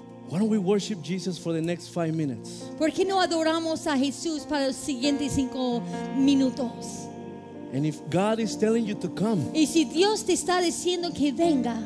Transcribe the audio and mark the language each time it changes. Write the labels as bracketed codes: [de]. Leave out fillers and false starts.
[en] Why don't we worship Jesus for the next 5 minutes? [es] ¿Por qué no adoramos a Jesús para los siguientes 5 minutos? [en] And if God is telling you to come, [es] y si Dios te está diciendo que venga,